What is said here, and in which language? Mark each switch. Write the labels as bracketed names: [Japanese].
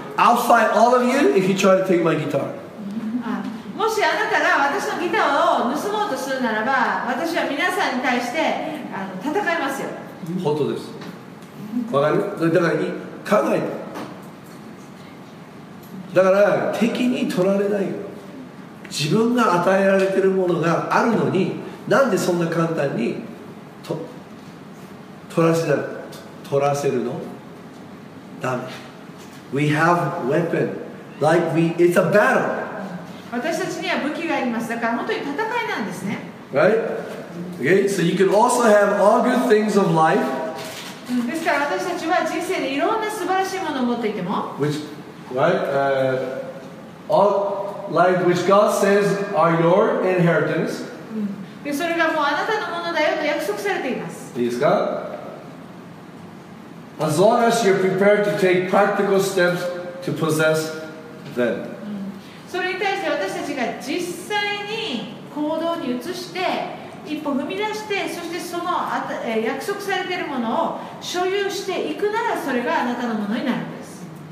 [English] I'll fight all of you if you try to take my guitar. [Japanese] もしあなたが私のギターを盗もうとするならば、私は皆さんに対して戦いますよ。本当です。わかる？だから考えて、だから敵に取られないよ。自分が与えられているものがあるのに、なんでそんな簡単に 取らせるの？ダメ。 [English] We have weapon like we, it's a battle. [Japanese] 私たちには武器があります。だから本当に戦いなんですね。 [English] Right? Okay? So you can also have all good things of life [Japanese] ですから私たちは人生でいろんな素晴らしいものを持っていても [English] which, right,、all, like, which God says are your inheritance、 [Japanese] でそれがもうあなたのものだよと約束されています。いいですか。 [English] As long as you're prepared to take practical steps to possess them、 [Japanese] それに対して私たちが実際に行動に移して一歩踏み出して、そしてその約束されているものを所有していくなら、それがあなたのものになるんです。